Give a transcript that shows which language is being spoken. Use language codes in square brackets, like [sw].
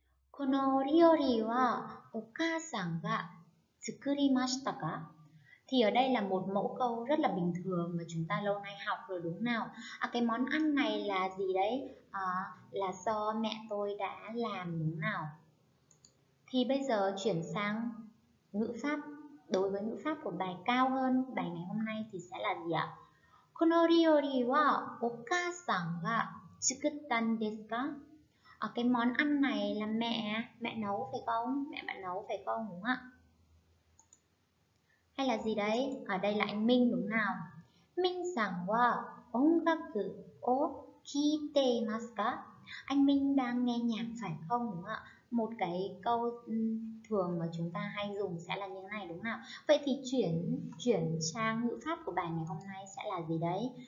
[ja] このお料理はお母さんが作りましたか? [vi] Thì ở đây là một mẫu câu rất là bình thường mà chúng ta lâu nay học rồi đúng nào? À, cái món ăn này là gì đấy? À, là do mẹ tôi đã làm đúng nào? Thì bây giờ chuyển sang ngữ pháp. Đối với ngữ pháp của bài cao hơn, bài ngày hôm nay thì sẽ là gì ạ? [ja] このお料理はお母さんが作ったんですか? [vi] À, cái món ăn này là mẹ nấu phải không? Mẹ bạn nấu phải không đúng không ạ? Hay là gì đấy? Ở đây là anh Minh đúng nào? Minh rằng [ja] wa ongaku o kite imasu ka? [vi] Anh Minh đang nghe nhạc phải không đúng không ạ? Một cái câu thường mà chúng ta hay dùng sẽ là như thế này đúng không nào? Vậy thì chuyển sang ngữ pháp của bài ngày hôm nay sẽ là gì đấy?